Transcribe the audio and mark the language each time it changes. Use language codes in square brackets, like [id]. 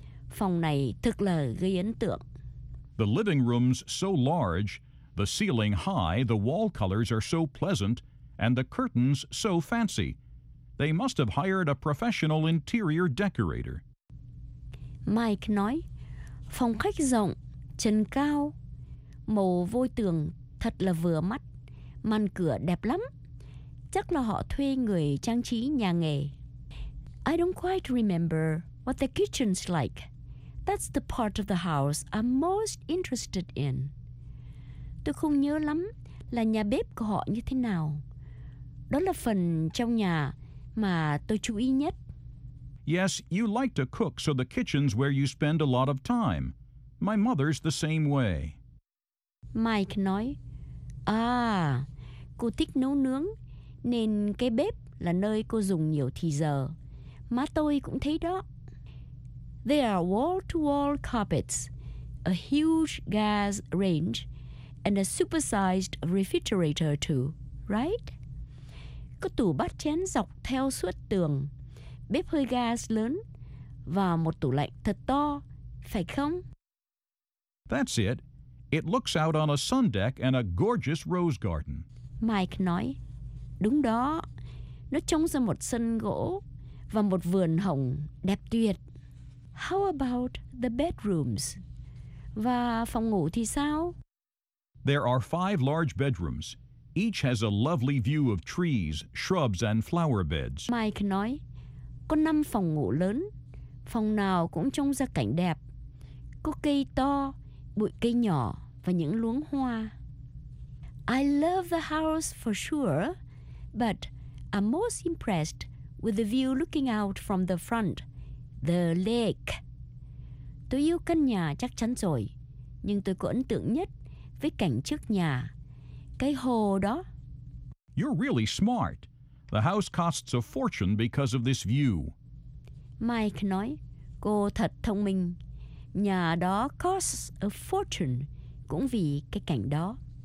[vi] Phòng này thực là gây ấn tượng. [en] The living room's so large, the ceiling high, the wall colors are so pleasant, and the curtains so fancy. They must have hired a professional interior decorator. [vi] Mike nói, phòng khách rộng, trần cao, màu vôi tường thật là vừa mắt, màn cửa đẹp lắm. Chắc là họ thuê người trang trí nhà nghề. [en] I don't quite remember what the kitchen's like. That's the part of the house I'm most interested in. [vi] Tôi không nhớ lắm là nhà bếp của họ như thế nào. Đó là phần trong nhà mà tôi chú ý nhất. [en] Yes, you like to cook, so the kitchen's where you spend a lot of time. My mother's the same way. [vi] Mike nói, à, cô thích nấu nướng, nên cái bếp là nơi cô dùng nhiều thì giờ. Má tôi cũng thấy đó. [en] There are wall-to-wall carpets, a huge gas range, and a supersized refrigerator too, right? [vi] Có tủ bát chén dọc theo suốt tường, bếp hơi gas lớn, và một tủ lạnh thật to, phải không? [en] That's it. It looks out on a sun deck and a gorgeous rose garden. [vi] Mike nói, đúng đó, nó trông ra một sân gỗ và một vườn hồng đẹp tuyệt. [en] How about the bedrooms? [vi] Và phòng ngủ thì sao? [en] There are five large bedrooms. Each has a lovely view of trees, shrubs, and flower beds. [vi] Mike nói, có năm phòng ngủ lớn, phòng nào cũng trông ra cảnh đẹp. Có cây to, bụi cây nhỏ và những luống hoa. [en] I love the house for sure, but I'm most impressed with the view looking out from the front, the lake. [vi] Tôi yêu căn nhà chắc chắn rồi, nhưng tôi có ấn tượng nhất với cảnh trước nhà, cái hồ đó. [en] You're really smart. The house costs a fortune because of this view. [vi] Mike nói, cô thật thông minh. Nhà đó [en] costs a fortune [vi] cũng vì cái cảnh đó.